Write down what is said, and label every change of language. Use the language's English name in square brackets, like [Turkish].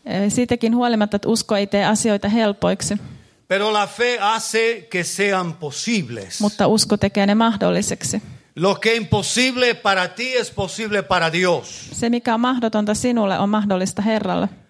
[Finnish] Siitäkin huolimatta, että usko ei tee asioita helpoiksi. [Spanish] Pero la fe hace que sean posibles. [Finnish] Mutta usko tekee ne mahdolliseksi. [Spanish] Lo que es imposible para ti es posible para Dios. [Finnish] Se, mikä on mahdotonta sinulle, on mahdollista Herralle.